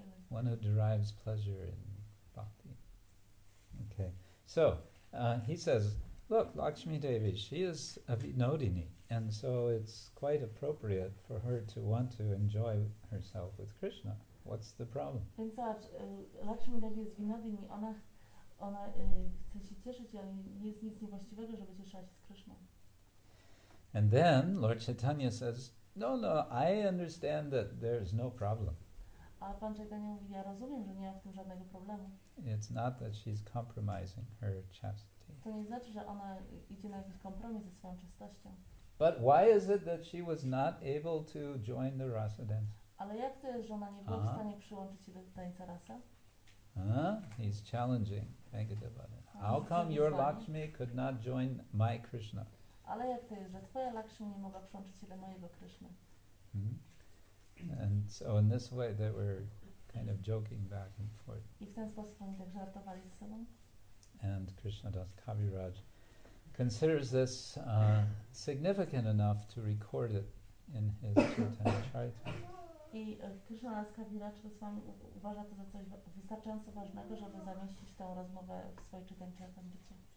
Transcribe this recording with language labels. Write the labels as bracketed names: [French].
[English] One who derives pleasure in bhakti. Okay. So, he says, look, Lakshmi Devi, she is a vinodini, and so it's quite appropriate for her to want to enjoy herself with Krishna. What's the problem? [Polish] Więc zobacz, Lakshmi Devi jest vinodini, ona chce się cieszyć, ale nie jest nic niewłaściwego, żeby cieszyła się z Krishna. [English] And then Lord Chaitanya says, no, no, I understand that there's no problem. [Polish] A pan Chaitanya mówi, ja rozumiem, że nie ma w tym żadnego problemu. [English] It's not that she's compromising her chastity. [Polish] To nie znaczy, że ona idzie na jakiś kompromis ze swoją czystością. [English] But why is it that she was not able to join the rasa dance? [Polish] Ale jak to jest, że ona nie była w stanie przyłączyć się do tańca rasa? [English] He's challenging. Think about it. How come your Lakshmi could not join my Krishna? [Polish] Ale jak to jest, że twoja Lakshmi nie mogła przyłączyć się do mojego Krishna? [English] And so in this way they were kind of joking back and forth. [Polish] I w ten sposób oni tak żartowali ze sobą. [English] And Krishnadas Kaviraj considers this significant enough to record it in his Chaitanya Charita. [Polish] I Krishnadas Kaviraj z wami uważa to za coś wystarczająco ważnego, żeby zamieścić tę rozmowę w swojej Chaitanya Charita.